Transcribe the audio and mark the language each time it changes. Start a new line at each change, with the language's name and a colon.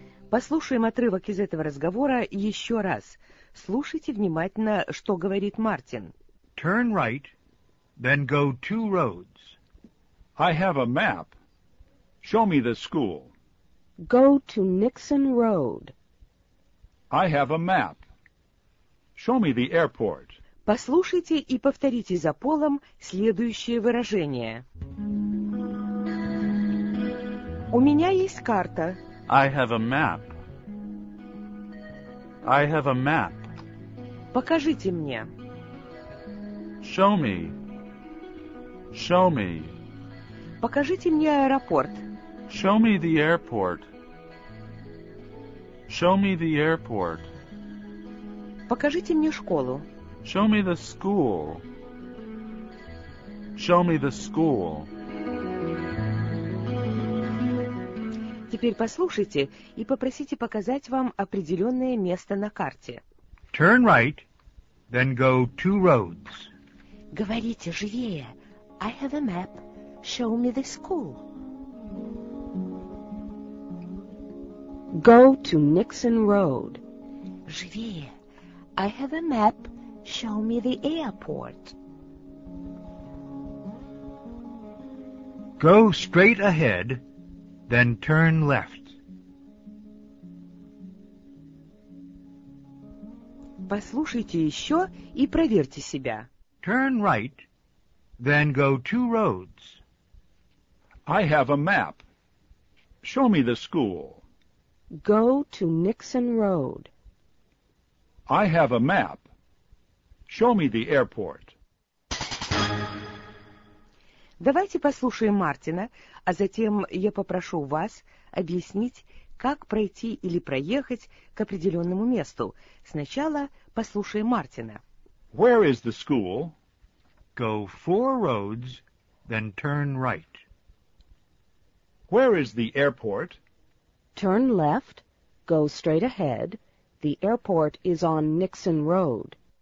Russian: Послушаем отрывок из этого разговора еще раз. Слушайте внимательно, что говорит Мартин.
English: Turn right, then go two roads. I have a map. Show me the school. Go to Nixon Road. I have a map. Show me the airport.
Russian: Послушайте и повторите за Полом следующее выражение. У меня есть карта.
English: I have a map. I have a map.
Russian: Покажите мне.
English: Show me. Show me.
Russian: Покажите мне аэропорт.
English: Show me the airport. Show me the airport.
Russian: Покажите мне школу.
English: Show me the school. Show me the school.
Russian: Теперь послушайте и попросите показать вам определенное место на карте.
English: Turn right, then go two roads.
Russian: Говорите живее.
English: I have a map. Show me the school. Go to Nixon Road.
Russian: Живее.
English: I have a map. Show me the airport. Go straight ahead, then turn left.
Russian: Послушайте еще и проверьте себя.
English: Turn right, then go two roads. I have a map. Show me the school. Go to Nixon Road. I have a map. Show me the airport.
Russian: Давайте послушаем Мартина, а затем я попрошу вас объяснить, как пройти или проехать к определенному месту. Сначала послушаем Мартина.
English: Where is the school? Go four roads, then turn right. Where is the airport? Turn left, go straight ahead. The airport is on Nixon Road.